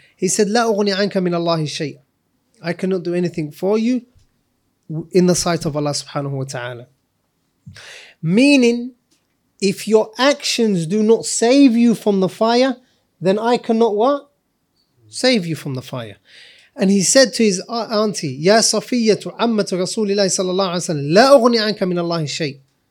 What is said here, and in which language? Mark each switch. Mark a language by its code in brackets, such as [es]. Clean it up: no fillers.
[en] He said, [ar] لا أغني عنك من الله شيء. [en] I cannot do anything for you in the sight of Allah subhanahu wa ta'ala. Meaning, if your actions do not save you from the fire, then I cannot what? Save you from the fire. And he said to his auntie, [ar] يا صفية عمة رسول الله صلى الله عليه وسلم, لا أغني عنك من الله شيء.